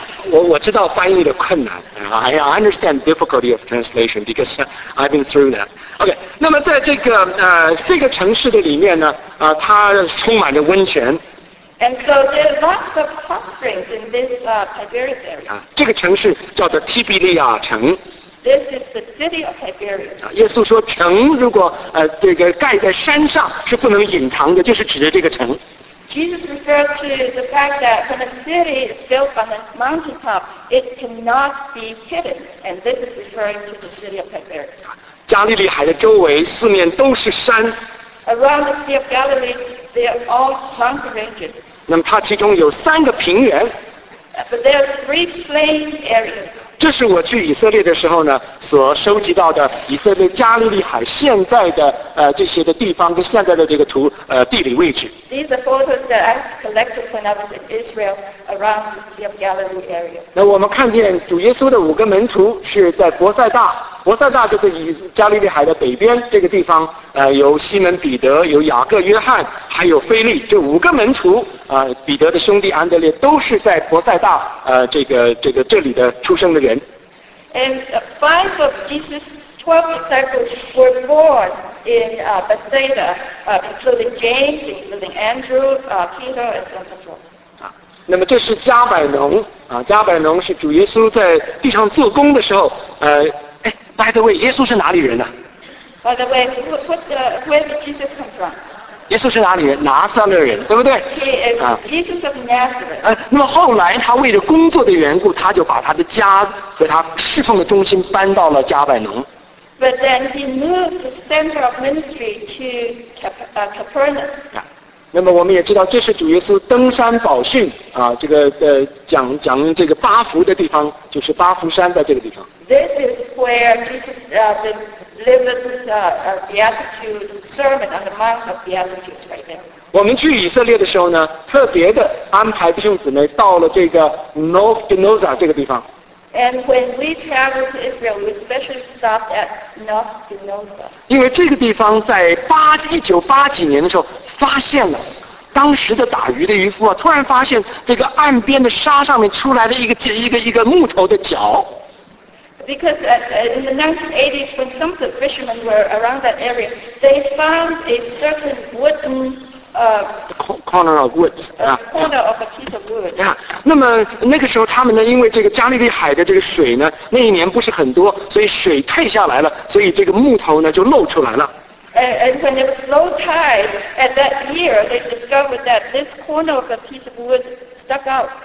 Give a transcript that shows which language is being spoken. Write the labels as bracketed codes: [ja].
[en] Well, [zh] 我知道翻译的困难 [en] I understand difficulty of translation because I've been through that. [zh] Okay, 那么在这个这个城市的里面呢，它充满着温泉。 [en] And so there are lots of hot springs in this Tiberias area. [zh] 这个城市叫做提比利亚城。 [en] This is the city of Tiberias. [zh] 耶稣说，城如果这个盖在山上是不能隐藏的，就是指的这个城。 [en] Jesus referred to the fact that when a city is built on a mountaintop, it cannot be hidden. And this is referring to the city of Tiberias. [zh] 加利利海的周围四面都是山。 [en] Around the Sea of Galilee, there are all mountain ranges. [zh] 那么它其中有三个平原。 [en] But there are three plain areas. [zh] 这是我去以色列的时候呢，所收集到的以色列加利利海现在的这些的地方跟现在的这个图地理位置。 [en] These are photos that I collected when I was in Israel around the Sea of Galilee area. [zh] 那我们看见主耶稣的五个门徒是在伯赛大。伯赛大就是以加利利海的北边这个地方，有西门彼得，有雅各、约翰，还有腓力，这五个门徒，彼得的兄弟安德烈都是在伯赛大，这个这里的出生的人。 [en] And five of Jesus' 12 disciples were born in Bethsaida, including James, including Andrew, Peter, and so on. [zh] 那么这是加百农，加百农是主耶稣在地上做工的时候， [en] By the way, [zh] 耶稣是哪里人呢、啊、 [en] By the way, where did Jesus come from? [zh] 耶稣是哪里人？拿撒勒人，对不对？ [en] Jesus of Nazareth. [zh] 那么后来他为了工作的缘故，他就把他的家和他侍奉的中心搬到了加百农。 [en] But then he moved the center of ministry to Capernaum. [zh] 那么我们也知道，这是主耶稣登山宝训这个讲这个八福的地方，就是八福山在这个地方。 [en] This is where Jesus delivered Beatitude sermon on the Mount of Beatitudes right there. [zh] 我们去以色列的时候呢，特别的安排弟兄姊妹到了这个 North Gennezer 这个地方。 [en] And when we travel to Israel, we especially stopped at North Gennezer. [zh] 因为这个地方在1980几年的时候。发现了当时的打鱼的渔夫突然发现这个岸边的沙上面出来的一个木头的脚。 [en] Because in the 1980s, when some of the fishermen were around that area, they found a certain wooden corner of wood. Corner of a piece of wood. Yeah. [zh] 那么那个时候他们呢，因为这个加利利海的这个水呢，那一年不是很多，所以水退下来了，所以这个木头呢就露出来了。 [en] And when it was low tide at that year, they discovered that this corner of a piece of wood stuck out.